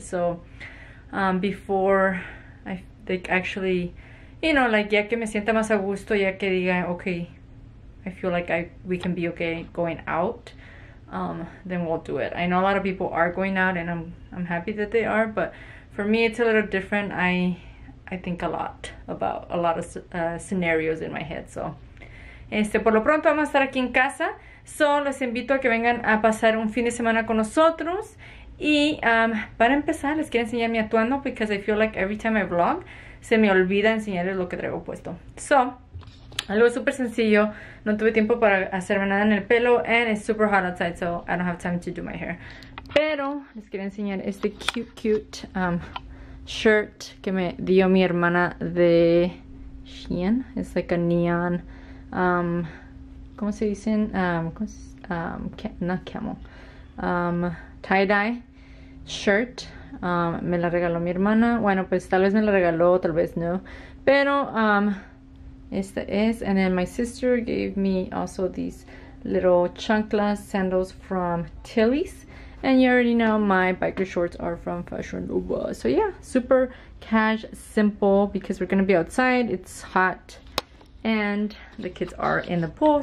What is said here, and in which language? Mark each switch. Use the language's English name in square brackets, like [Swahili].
[English] So before I think actually, you know, like [Spanish] ya que me sienta más a gusto, ya que diga [English] okay, I feel like we can be okay going out, then we'll do it. I know a lot of people are going out and I'm happy that they are, but for me it's a little different. I think a lot about a lot of scenarios in my head. [Spanish] So, por lo pronto vamos a estar aquí en casa. So, les invito a que vengan a pasar un fin de semana con nosotros. Y para empezar, les quiero enseñar mi atuendo [English] because I feel like every time I vlog, [Spanish] se me olvida enseñarles lo que traigo puesto. So, algo súper sencillo. No tuve tiempo para hacerme nada en el pelo. [English] And it's super hot outside, so I don't have time to do my hair. [Spanish] Pero, les quiero enseñar este [English] cute shirt [Spanish] que me dio mi hermana de Shein. [English] It's like a neon, [Spanish] ¿cómo se dicen? [English] Not camel, tie-dye shirt. [Spanish] Me la regaló mi hermana. Bueno, pues tal vez me la regaló, tal vez no. Pero, esta es. [English] And then my sister gave me also these little chanclas sandals from Tilly's. And you already know my biker shorts are from Fashion Nova. So yeah, super cash, simple, because we're going to be outside. It's hot and the kids are in the pool.